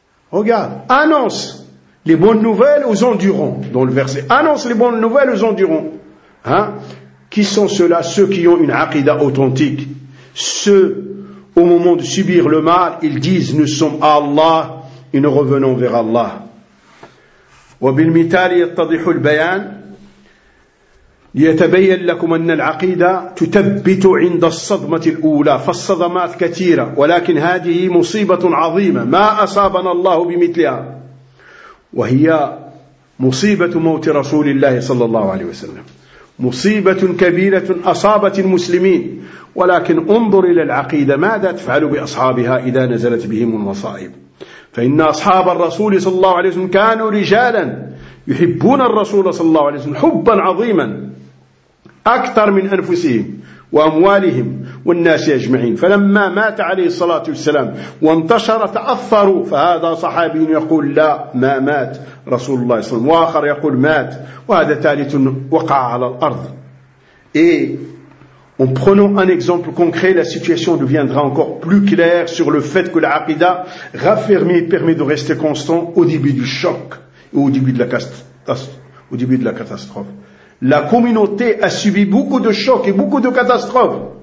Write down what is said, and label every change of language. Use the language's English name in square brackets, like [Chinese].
[French] Regarde, annonce les bonnes nouvelles aux endurants, dans le verset, annonce les bonnes nouvelles aux endurants. Hein? Qui sont ceux-là? Ceux qui ont une aqida authentique. Ceux, au moment de subir le mal, ils disent: nous sommes à Allah et nous revenons vers Allah. [Arabic] وَبِالْمِثَالِ يَتَّضِحُ الْبَيَانِ ليتبين لكم أن العقيدة تثبت عند الصدمة الأولى. فالصدمات كثيرة، ولكن هذه مصيبة عظيمة ما أصابنا الله بمثلها، وهي مصيبة موت رسول الله صلى الله عليه وسلم، مصيبة كبيرة أصابت المسلمين. ولكن انظر إلى العقيدة ماذا تفعل بأصحابها إذا نزلت بهم المصائب. فإن أصحاب الرسول صلى الله عليه وسلم كانوا رجالا يحبون الرسول صلى الله عليه وسلم حبا عظيما أكثر من أنفسهم وأموالهم والناس أجمعين. فلما مات عليه الصلاة والسلام وانتشر تأثروا، فهذا صحابي يقول: لا، ما مات رسول الله صلى الله عليه وسلم، وآخر يقول: مات، وهذا ثالث وقع على الأرض. [French] En prenant un exemple concret, la situation deviendra encore plus claire sur le fait que l'aqida raffermie permet de rester constant au début du choc et au début de la catastrophe. La communauté a subi beaucoup de chocs et beaucoup de catastrophes.